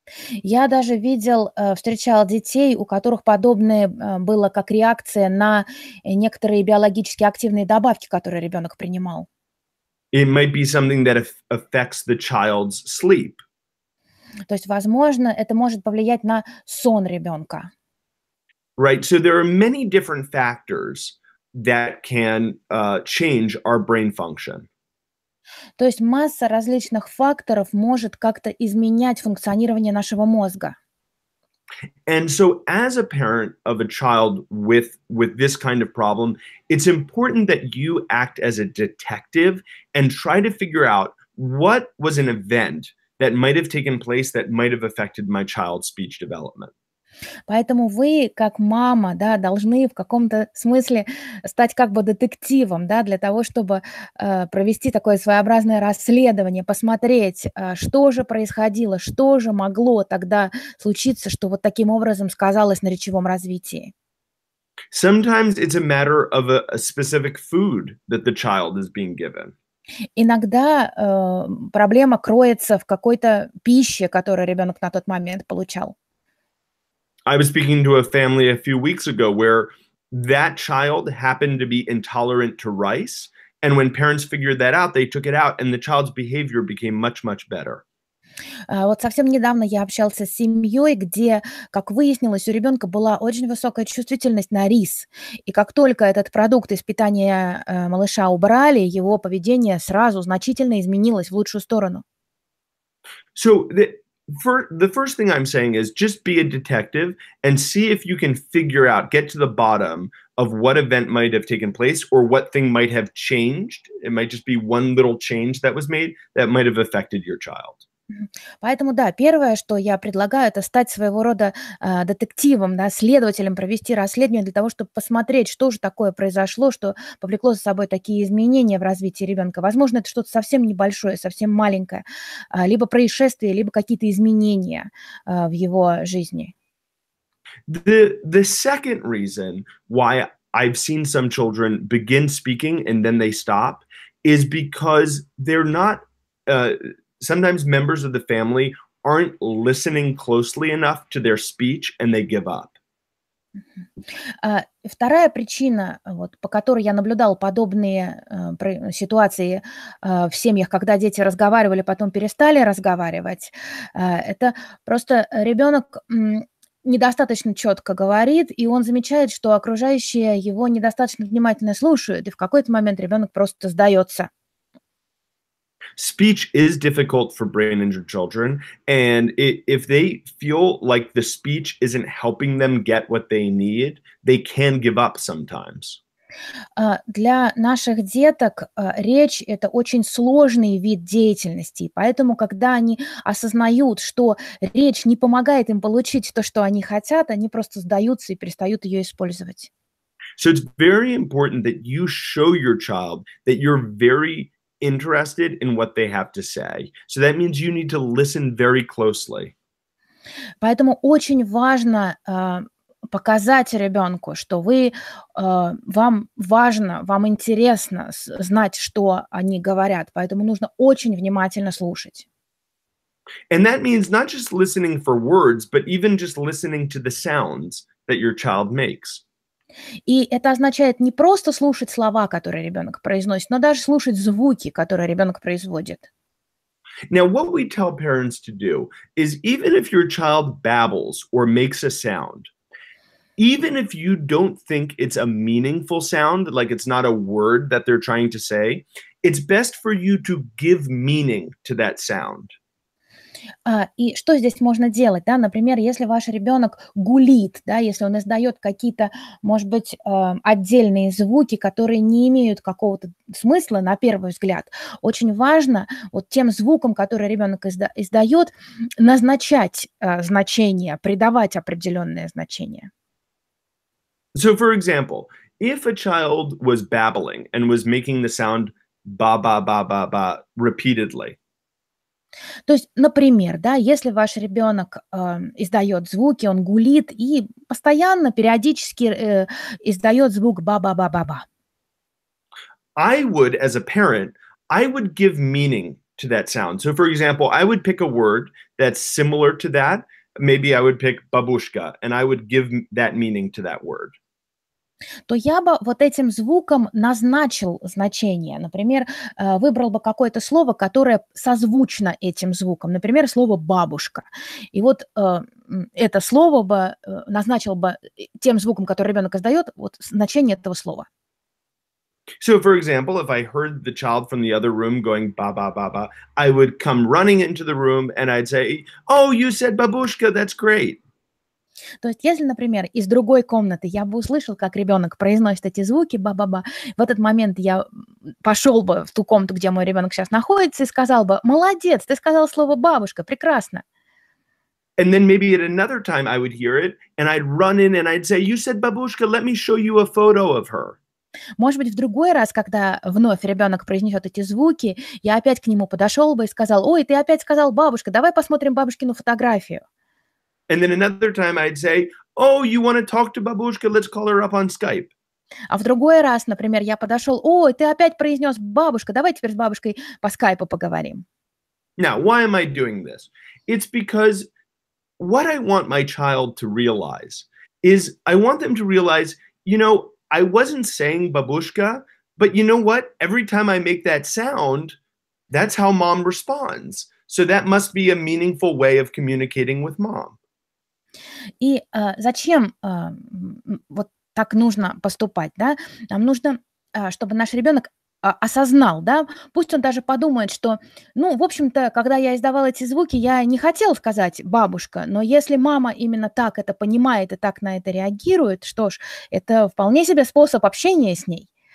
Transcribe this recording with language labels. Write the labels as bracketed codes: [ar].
[ru] Я даже видел, встречал детей, у которых подобное было как реакция на некоторые биологически активные добавки, которые ребенок принимал. [en] It might be something that affects the child's sleep. [ru] То есть, возможно, это может повлиять на сон ребенка. [en] Right, so there are many different factors that can change our brain function. [ru] То есть масса различных факторов может как-то изменять функционирование нашего мозга. [en] And so as a parent of a child with this kind of problem, it's important that you act as a detective and try to figure out what was an event that might have taken place that might have affected my child's speech development. [ru] Поэтому вы, как мама, да, должны в каком-то смысле стать как бы детективом, да, для того, чтобы провести такое своеобразное расследование, посмотреть, что же происходило, что же могло тогда случиться, что вот таким образом сказалось на речевом развитии. [en] Sometimes it's a matter of a specific food that the child is being given. [ru] Иногда проблема кроется в какой-то пище, которую ребенок на тот момент получал. [en] I was speaking to a family a few weeks ago where that child happened to be intolerant to rice. And when parents figured that out, they took it out and the child's behavior became much, much better. [ru] Вот совсем недавно я общался с семьей, где, как выяснилось, у ребенка была очень высокая чувствительность на рис. И как только этот продукт из питания малыша убрали, его поведение сразу значительно изменилось в лучшую сторону. [en] So the first thing I'm saying is just be a detective and see if you can figure out, get to the bottom of what event might have taken place or what thing might have changed. It might just be one little change that was made that might have affected your child. [ru] Поэтому, да, первое, что я предлагаю, это стать своего рода детективом, да, следователем, провести расследование для того, чтобы посмотреть, что же такое произошло, что повлекло за собой такие изменения в развитии ребенка. Возможно, это что-то совсем небольшое, совсем маленькое, либо происшествие, либо какие-то изменения в его жизни. [en] The second reason why I've seen some children begin speaking and then they stop is because they're not... Sometimes members of the family aren't listening closely enough to their speech and they give up. [ru] Вторая причина, вот, по которой я наблюдал подобные ситуации в семьях, когда дети разговаривали, потом перестали разговаривать, это просто ребенок недостаточно четко говорит, и он замечает, что окружающие его недостаточно внимательно слушают, и в какой-то момент ребенок просто сдается. [en] Speech is difficult for brain-injured children, and if they feel like the speech isn't helping them get what they need, they can give up sometimes. [ru] Для наших деток речь – это очень сложный вид деятельности, поэтому, когда они осознают, что речь не помогает им получить то, что они хотят, они просто сдаются и перестают ее использовать. [en] So it's very important that you show your child that you're very interested in what they have to say. So that means you need to listen very closely. [ru] Поэтому очень важно показать ребенку, что вы вам важно, вам интересно знать, что они говорят. Поэтому нужно очень внимательно слушать. [en] And that means not just listening for words, but even just listening to the sounds that your child makes. [ru] И это означает не просто слушать слова, которые ребенок произносит, но даже слушать звуки, которые ребенок производит. [en] Now, what we tell parents to do is even if your child babbles or makes a sound, even if you don't think it's a meaningful sound, like it's not a word that they're trying to say, it's best for you to give meaning to that sound. [ru] И что здесь можно делать, да? Например, если ваш ребенок гулит, да, если он издает какие-то, может быть, отдельные звуки, которые не имеют какого-то смысла на первый взгляд, очень важно вот тем звуком, который ребенок издает, назначать значение, придавать определенное значение. [en] So, for example, if a child was babbling and was making the sound ba-ba-ba-ba-ba repeatedly. [ru] То есть, например, да, если ваш ребенок издает звуки, он гулит и постоянно, периодически издает звук ба-ба-ба-ба-ба. [en] I would, as a parent, I would give meaning to that sound. So, for example, I would pick a word that's similar to that. Maybe I would pick бабушка, and I would give that meaning to that word. [ru] То я бы вот этим звуком назначил значение. Например, выбрал бы какое-то слово, которое созвучно этим звуком. Например, слово «бабушка». И вот это слово бы назначил бы тем звуком, который ребенок издает, вот значение этого слова. [en] So, for example, if I heard the child from the other room going «ба-ба-ба-ба», I would come running into the room and I'd say, «Oh, you said бабушка, that's great». [ru] То есть, если, например, из другой комнаты я бы услышал, как ребенок произносит эти звуки, ба-ба-ба, в этот момент я пошел бы в ту комнату, где мой ребенок сейчас находится, и сказал бы: «Молодец, ты сказал слово бабушка, прекрасно». [en] And then maybe at another time I would hear it, and I'd run in and I'd say, "You said бабушка, let me show you a photo of her." [ru] Может быть, в другой раз, когда вновь ребенок произнесет эти звуки, я опять к нему подошел бы и сказал: «Ой, ты опять сказал бабушка, давай посмотрим бабушкину фотографию». [en] And then another time I'd say, "Oh, you want to talk to бабушка, let's call her up on Skype." [ru] А в другой раз, например, я подошел: «Ой, ты опять произнес бабушка, давай теперь с бабушкой по Скайпу поговорим». [en] Now, why am I doing this? It's because what I want my child to realize is, I want them to realize, you know, I wasn't saying бабушка, but you know what? Every time I make that sound, that's how mom responds. So that must be a meaningful way of communicating with mom. [ru] И зачем вот так нужно поступать, да? Нам нужно, чтобы наш ребенок осознал, да? Пусть он даже подумает, что, ну, в общем-то, когда я издавал эти звуки, я не хотел сказать «бабушка», но если мама именно так это понимает и так на это реагирует, что ж, это вполне себе способ общения с ней.